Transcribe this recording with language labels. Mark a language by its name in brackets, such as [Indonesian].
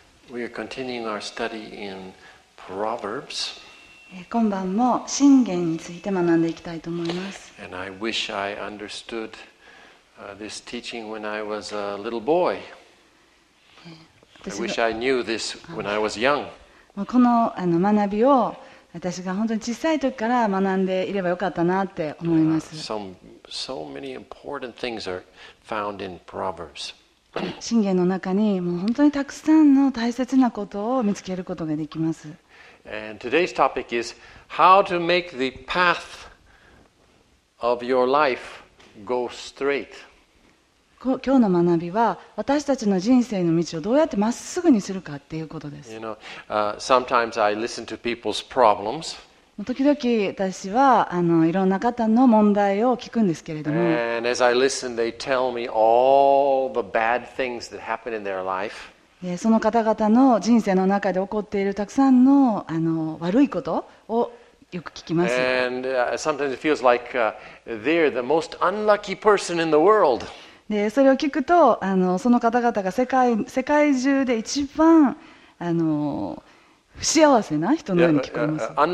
[English] We are continuing our study in Proverbs. [Japanese] 今晩も箴言について学んでいきたいと思います。 [English] And I wish I understood this teaching when I was a little boy. I wish I knew this when I was young. [Japanese] この学びを私が本当に小さい時から学んでいればよかったなって思います。 [English] So many important things are found in Proverbs. [Japanese] 箴言の中にもう本当にたくさんの大切なことを見つけることができます。 [English] And today's topic is how to make the path of your life go straight. [Japanese] 今日の学びは私たちの人生の道をどうやってまっすぐにするかっていうことです。 [English] You know, sometimes I listen to people's problems. [Japanese] 時々私はいろんな方の問題を聞くんですけれども。 [English] And as I listen, they tell me all the bad things that happen in their life. [Japanese] その方々の人生の中で起こっているたくさん の悪いことをよく聞きます。 [English] And sometimes it feels like they're the most unlucky person in the world. [Japanese] でそれを聞くとその方々が世界中で一番不幸せな人のように聞こえます。